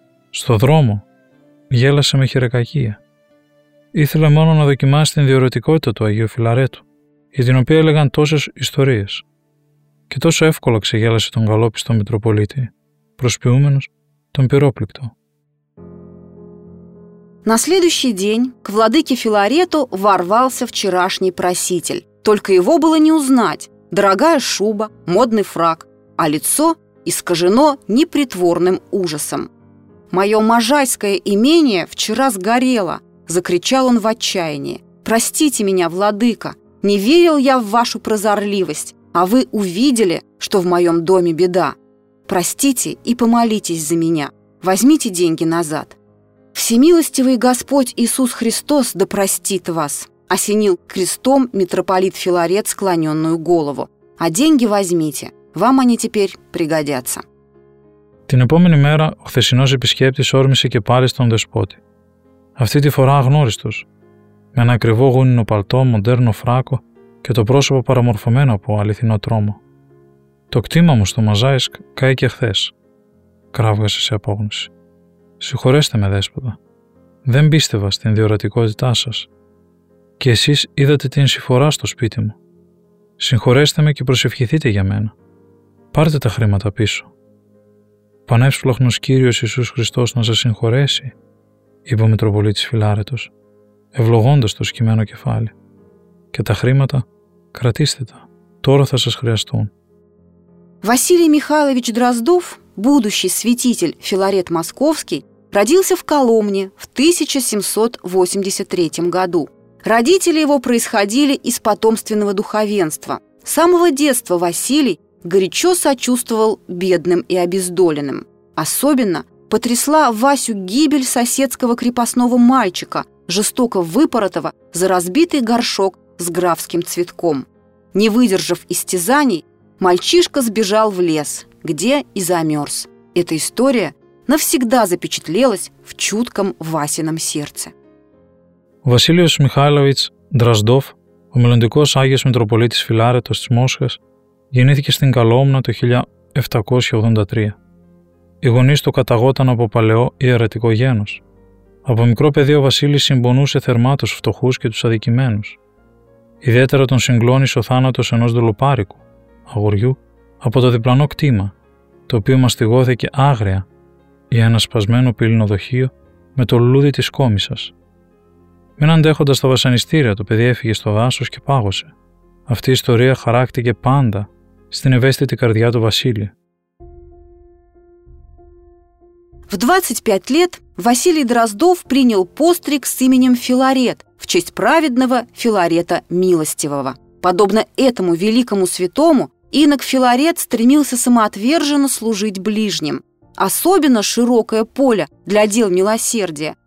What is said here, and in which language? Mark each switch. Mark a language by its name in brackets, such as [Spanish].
[Greek] Στο δρόμο γέλασε με χειρακακία. Ήθελε μόνο να δοκιμάσει την διορατικότητα του Αγίου Φιλαρέτου, για την οποία έλεγαν τόσες ιστορίες. Και τόσο εύκολα ξεγέλασε τον καλόπιστο Μητροπολίτη, προσποιούμενος τον πυρόπληκτο. [Russian] На следующий день к владыке Филарету ворвался вчерашний проситель. Только его было не узнать. Дорогая шуба, модный фрак, а лицо искажено непритворным ужасом. «Мое можайское имение вчера сгорело!» – закричал он в отчаянии. «Простите меня, владыка! Не верил я в вашу прозорливость, а вы увидели, что в моем доме беда. Простите и помолитесь за меня. Возьмите деньги назад». «Всемилостивый Господь Иисус Христос да простит вас», — осенил крестом митрополит Филарет склоненную голову. «А деньги возьмите, вам они теперь пригодятся». [Greek] Την επόμενη μέρα ο χθεσινός επισκέπτης όρμησε και πάλι στον δεσπότη. Αυτή τη φορά αγνώριστος, με ένα ακριβό γούνινο παλτό, μοντέρνο φράκο και το πρόσωπο παραμορφωμένο από αληθινό τρόμο. «Το κτήμα μου στο Μαζάισκ κάηκε χθες», κράβγασε σε απόγνωση. «Συγχωρέστε με, δέσποτα. Δεν πίστευα στην διορατικότητά σας. Και εσείς είδατε την συφορά στο σπίτι μου. Συγχωρέστε με και προσευχηθείτε για μένα. Πάρτε τα χρήματα πίσω». «Πανεύσπλαχνος Κύριος Ιησούς Χριστός να σας συγχωρέσει», είπε ο Μητροπολίτης Φιλάρετος, ευλογώντας το σκυμμένο κεφάλι. «Και τα χρήματα, κρατήστε τα. Τώρα θα σας χρειαστούν». [Russian] Βασίλη Μιχάλοβιτς Ντραζντόφ, будущий святитель Филарет Московский, родился в Коломне в 1783 году. Родители его происходили из потомственного духовенства. С самого детства Василий горячо сочувствовал бедным и обездоленным. Особенно потрясла Васю гибель соседского крепостного мальчика, жестоко выпоротого за разбитый горшок с графским цветком. Не выдержав истязаний, мальчишка сбежал в лес, где и замерз. Эта история навсегда запечатлелась в чутком Васином сердце. [Greek] Василиус Михайлович Дроздов, ο μελλοντικός Άγιος Μητροπολίτης Φιλάρετος της Μόσχας, γεννήθηκε στην Καλόμνα το 1783. Οι γονείς του καταγόταν από παλαιό ιερατικό γένος. Από μικρό παιδί ο Βασίλης συμπονούσε θερμά τους φτωχούς και τους αδικημένους. Ιδιαίτερα τον συγκλώνησε ο θάνατος ενός δολοπάρικου, αγοριού, από το διπλανό κτήμα, το οποίο μαστιγώθηκε άγρια για ένα σπασμένο πύλινο δοχείο με το λουλούδι της κόμισσας. Μην αντέχοντας τα βασανιστήρια, το παιδί έφυγε στο δάσος και πάγωσε. Αυτή η ιστορία χαράκτηκε πάντα στην ευαίσθητη καρδιά του Βασίλη. [Russian] В 25 лет Василий Дроздов принял постриг с именем Филарет в честь праведного Филарета Милостивого. Подобно этому великому святому, инок Филарет стремился самоотверженно служить ближним. Особенно широкое поле для дел милосердия